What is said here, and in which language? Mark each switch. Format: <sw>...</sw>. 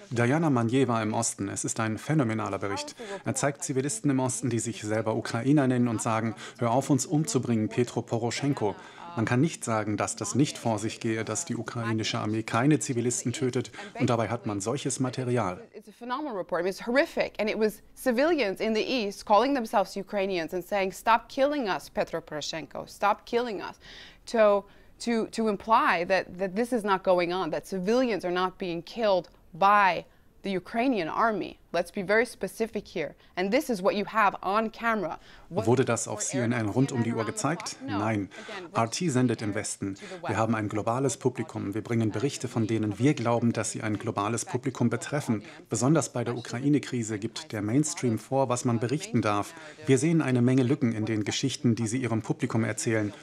<de>Diana Manier war im Osten. Es ist ein phänomenaler Bericht. Er zeigt Zivilisten im Osten, die sich selber Ukrainer nennen und sagen, hör auf uns umzubringen, Petro Poroschenko. Man kann nicht sagen, dass das nicht vor sich gehe, dass die ukrainische Armee keine Zivilisten tötet. Und dabei hat man solches Material.</de> <en>It's a phenomenal report. It's horrific. And it was civilians in the East calling themselves Ukrainians and saying, stop killing us, Petro Poroshenko, stop killing us. To imply that this is not going on, that civilians are not being killed by the Ukrainian army. Let's be very specific here. And this is what you have on camera.</en> <de>Wurde das auf CNN rund um die Uhr gezeigt? Nein. RT sendet im Westen. Wir haben ein globales Publikum. Wir bringen Berichte, von denen wir glauben, dass sie ein globales Publikum betreffen. Besonders bei der Ukraine-Krise gibt der Mainstream vor, was man berichten darf. Wir sehen eine Menge Lücken in den Geschichten, die sie ihrem Publikum erzählen.</de>